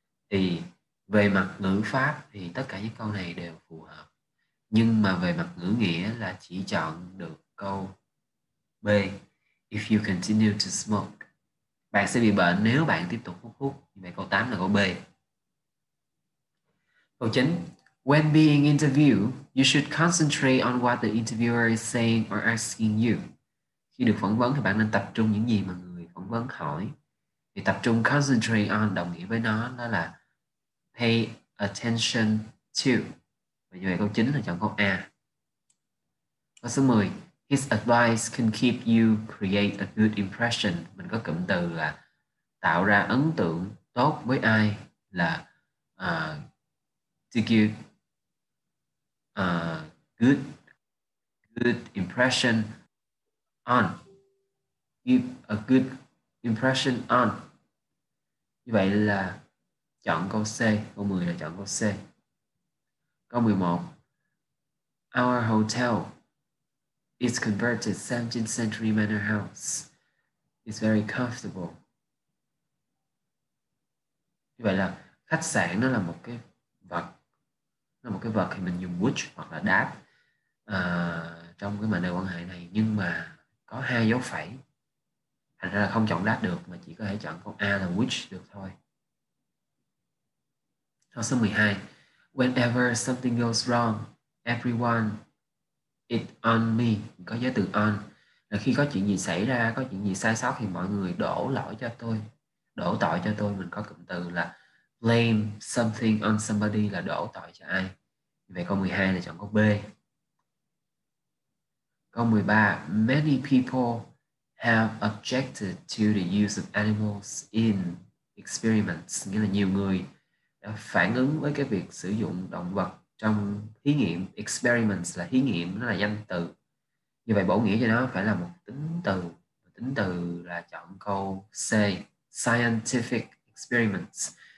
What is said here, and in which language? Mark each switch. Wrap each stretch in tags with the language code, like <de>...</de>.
<vi>Thì về mặt ngữ pháp thì tất cả những câu này đều phù hợp. Nhưng mà về mặt ngữ nghĩa là chỉ chọn được câu B.</vi> <en>If you continue to smoke,</en> <vi>bạn sẽ bị bệnh nếu bạn tiếp tục hút thuốc. Vậy câu 8 là câu B. Câu 9,</vi> <en>When being interviewed, you should concentrate on what the interviewer is saying or asking you.</en> <vi>Khi được phỏng vấn thì bạn nên tập trung những gì mà người phỏng vấn hỏi. Thì tập trung concentrate on đồng nghĩa với nó đó là</vi> <en>pay attention to.</en> <vi>Và như vậy câu chính là chọn câu A. Câu số 10.</vi> <en>His advice can keep you create a good impression.</en> <vi>Mình có cụm từ là tạo ra ấn tượng tốt với ai là</vi> <en>to give a good impression on. Give a good impression on.</en> <vi>Như vậy là chọn câu C. Câu 10 là chọn câu C. Câu 11.</vi> <en>Our hotel is converted 17th century manor house. It's very comfortable.</en> <vi>Như vậy là khách sạn nó là một cái vật. Nó là một cái vật thì mình dùng which hoặc là that trong cái mệnh đề quan hệ này. Nhưng mà có hai dấu phẩy. Thành ra là không chọn that được mà chỉ có thể chọn câu A là which được thôi. Câu số 12.</vi> <en>Whenever something goes wrong, everyone it on me.</en> <vi>Có giới từ on. Là khi có chuyện gì xảy ra, có chuyện gì sai sót thì mọi người đổ lỗi cho tôi. Đổ tội cho tôi. Mình có cụm từ là</vi> <en>blame something on somebody</en> <vi>là đổ tội cho ai. Vậy câu 12 là chọn câu B. Câu 13.</vi> <en>Many people have objected to the use of animals in experiments.</en> <vi>Nghĩa là nhiều người đã phản ứng với cái việc sử dụng động vật trong thí nghiệm. Experiments là thí nghiệm, nó là danh từ. Như vậy bổ nghĩa cho nó phải là một tính từ. Tính từ là chọn câu C.</vi> <en>Scientific experiments.</en>